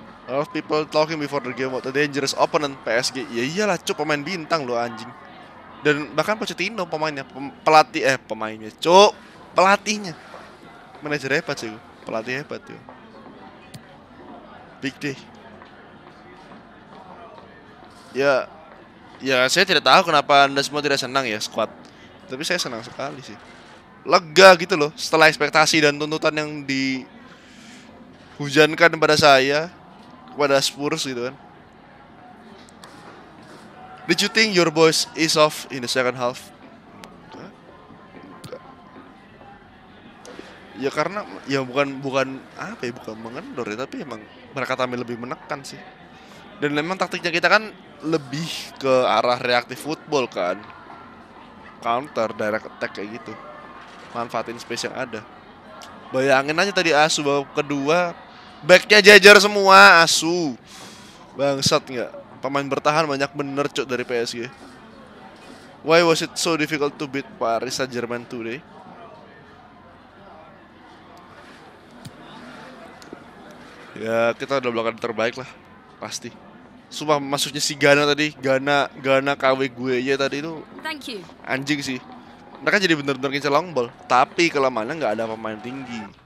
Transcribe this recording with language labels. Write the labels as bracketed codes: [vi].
[en] A lot of people talking before the game about the dangerous opponent PSG. [id] Ya iyalah cu, pemain bintang lo anjing. Dan bahkan Pochettino pemainnya. Pemainnya. Cu, pelatihnya. [en] Manager [id] hebat sih. Pelatih hebat yo. [en] Big day. [id] Ya. Ya saya tidak tahu kenapa anda semua tidak senang ya squad. Tapi saya senang sekali sih. Lega gitu loh setelah ekspektasi dan tuntutan yang dihujankan pada saya kepada Spurs gitu kan. [en] Did you think your boys is off in the second half? [id] Ya karena ya bukan apa ya, bukan mengendor ya, tapi emang mereka tampil lebih menekan sih. Dan memang taktiknya kita kan lebih ke arah reaktif football kan. [en] Counter, direct attack [id] kayak gitu. Manfaatin space yang ada. Bayangin aja tadi asu bawa kedua. Backnya jajar semua asu. Bangsat gak? Pemain bertahan banyak bener cok dari PSG. [en] Why was it so difficult to beat Paris Saint-Germain today? [id] Ya kita udah melakukan terbaik lah. Pasti. Sumpah maksudnya si Gana tadi, Gana KW gue ya tadi itu. [en] Thank you. [id] Anjing sih. Mereka jadi bener-bener ngincer long ball, tapi kelamaannya enggak ada pemain tinggi.